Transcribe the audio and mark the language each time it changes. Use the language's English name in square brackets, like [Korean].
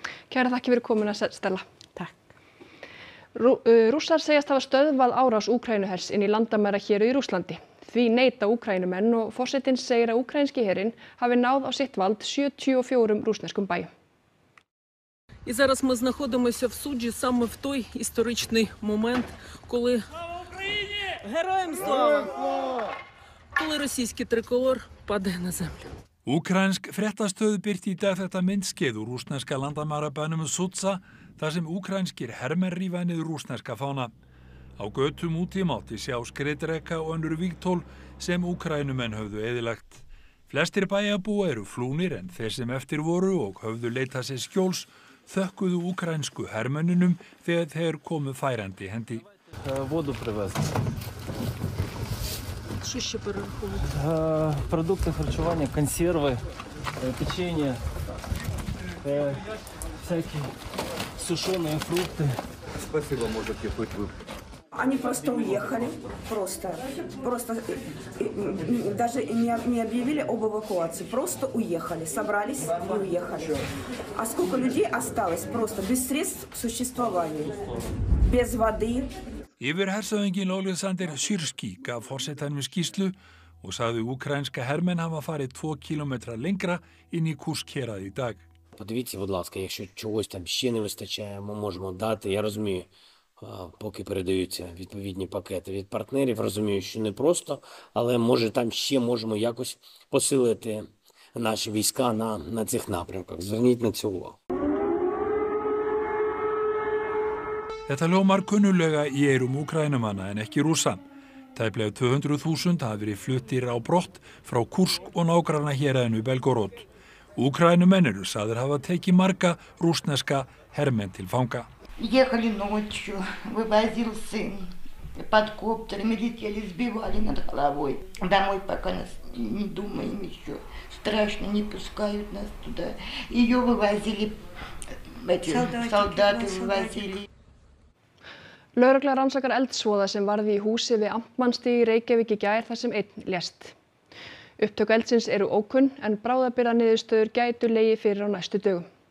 [Icelandic] Kæra, þakki fyrir komuna, Stella. Takk. Rússar segjast hafa stöðvað árás Úkraínuhers inn í landamæra hér í Rússlandi. Því neita Úkraínumenn og forsetinn segir að úkraínski herinn hafi náð á sitt vald 74 rússneskum bæjum. [Ukrainian] І зараз ми знаходимося в Суджі саме в той історичний момент, коли Героям слава! Коли російський триколор паде на землю. [Icelandic] Украинск фреттастöð birti í dag þetta myndskeið úr rússneska landamærabænum Sutsa, þar sem ukrainskir hermenn rífa niður rússneska fána. Á götum úti mátti sjá skriðdreka og önnur vígtól sem Ukrainumenn höfðu eyðilagt. Flestir bæjarbúa eru flúnir en þeir sem eftir voru og höfðu leitað sér skjóls þökkuðu ukrainsku hermönnunum þegar þeir komu færandi hendi. [Russian] Воду привезли. Что еще перераховывают? Продукты харчевания, консервы, печенье, всякие сушеные фрукты. Спасибо, можете хоть вы. Они просто уехали, просто даже не объявили об эвакуации, просто уехали, собрались и уехали. А сколько людей осталось просто без средств к существованию, без воды? [Icelandic] Yfir hersöðingin Oleksandr Syrský gaf forsetanum skýrslu og sagði ukrainska hermenn hafa farið 2 kilometra lengra inn í Kursk hérað í dag. [Ukrainian] Подивіться, будь ласка, якщо чогось там ще не вистачає, ми можемо дати, я розумію, поки передаються відповідні пакети від партнерів, розумію, що не просто, але може там ще можемо якось посилити наші війська на цих напрямках. Зверніть на цю увагу. [Icelandic] Þetta hljómar kunnulega í eyrum Úkraínumanna en ekki Rússa. Tæplega 200.000 hafa verið fluttir á brott frá Kursk og nágranna héraðinu Belgorod. Úkraínumenn eru sagðir hafa tekið marga rússneska hermenn til fanga. [Russian] Ехали ночью, вывозил сын под коптерами, летели, сбивали над головой. Домой пока нас не думаем еще. Страшно, не пускают нас туда. Ее вывозили, эти солдаты вывозили. [Icelandic] Lögregla rannsakar eldsvoða sem varði í húsi við Amtmannsstíg í Reykjavík í gær þar sem einn lést. Upptök eldsins eru ókunn en bráðabirðaniðurstöður gætu legi fyrir á næstu dögum.